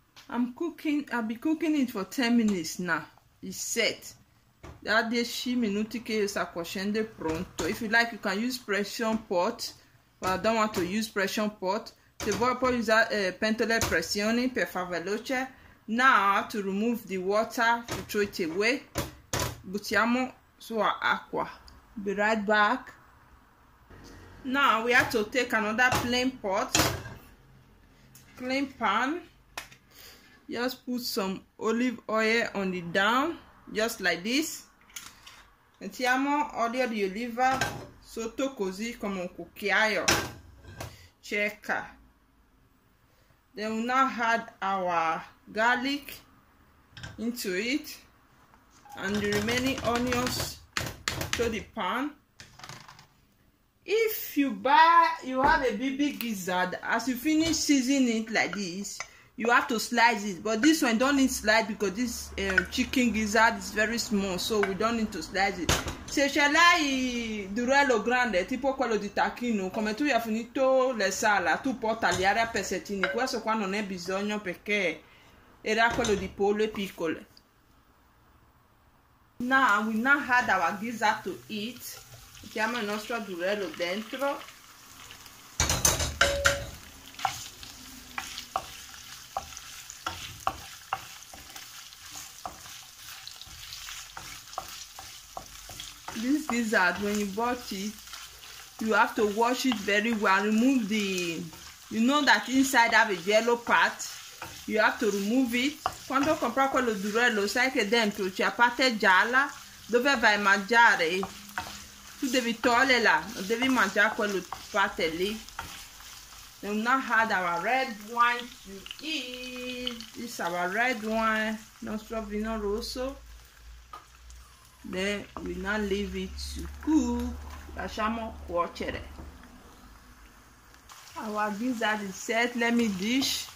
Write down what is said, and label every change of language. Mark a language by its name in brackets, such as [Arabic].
[English] I'll be cooking it for 10 minutes now. It's set. [Italian] Da 10 minuti che io sta cuocendo pronto. [English] If you like, you can use pressure pot. But I don't want to use pressure pot. [Italian] Se vuoi puoi usare pentola di pressione per far veloce. [English] Now to remove the water to throw it away. [Italian] Buttiamo sulla acqua. [English] Be right back. Now we have to take another plain pot. Clean pan. Just put some olive oil on the down. Just like this. [Italian] Mettiamo olio di oliva. Sotto così come un cucchiaio. Cerca. [English] Then we now add our garlic into it. And the remaining onions to the pan. If you buy, you have a big gizzard. As you finish seasoning it like this, you have to slice it. But this one don't need slice because this chicken gizzard is very small. So we don't need to slice it. [Italian] Se ce l'hai durello grande, tipo quello di tacchino, come tu hai finito le sala, tu puoi tagliare a pezzettini. Questo qua non è bisogno perché era quello di pollo piccolo. [English] Now, we now had our gizzard to eat. [Italian] Mettiamo il nostro durello dentro. [English] This gizzard, when you bought it, you have to wash it very well. Remove the, you know that inside have a yellow part. you have to remove it. [Italian] Quando compra quello duro, lo sai che dentro c'è la parte gialla dove vai a mangiare. Tu devi toglierla, non devi mangiare quella parte lì. [English] We've not had our red wine to eat. It's our red wine, [Italian] nostro vino rosso. [English] Then we now leave it to cook. [Italian] Lasciamo cuocere. [English] Our dessert is set. Let me dish.